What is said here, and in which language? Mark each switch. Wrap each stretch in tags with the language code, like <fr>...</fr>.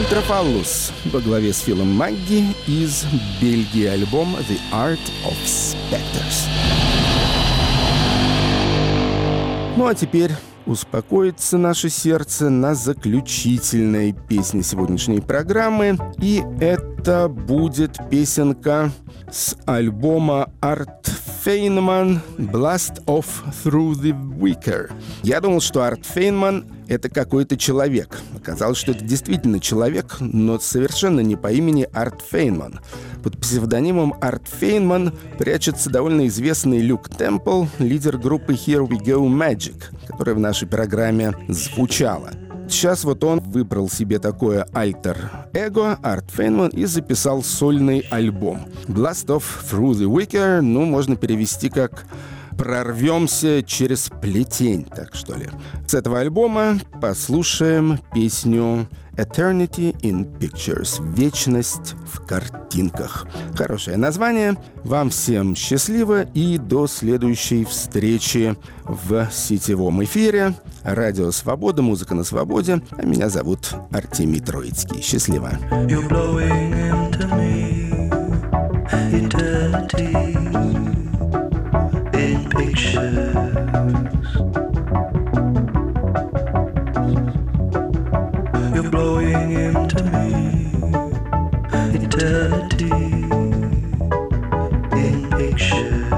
<ru>Фаллус во главе с Филом Магги из Бельгии альбом «The Art of Specters». Ну а теперь успокоится наше сердце на заключительной песне сегодняшней программы. И это будет песенка с альбома «Art Feynman Blast Off Through the Weaker». Я думал, что Арт Фейнман — это какой-то человек. Оказалось, что это действительно человек, но совершенно не по имени Арт Фейнман. Под псевдонимом Арт Фейнман прячется довольно известный Люк Темпл, лидер группы Here We Go Magic, которая в нашей программе звучала. Сейчас вот он выбрал себе такое альтер-эго, Арт Фейнман, и записал сольный альбом. Blast Off Through the Weaker, ну, можно перевести как «Прорвемся через плетень», так что ли. С этого альбома послушаем песню «Eternity in Pictures» — «Вечность в картинках». Хорошее название. Вам всем счастливо и до следующей встречи в сетевом эфире. Радио «Свобода», «Музыка на свободе». А меня зовут Артемий Троицкий. Счастливо.</ru> <en>You're blowing into me, eternity in pictures. You're blowing into me, eternity in pictures.</en>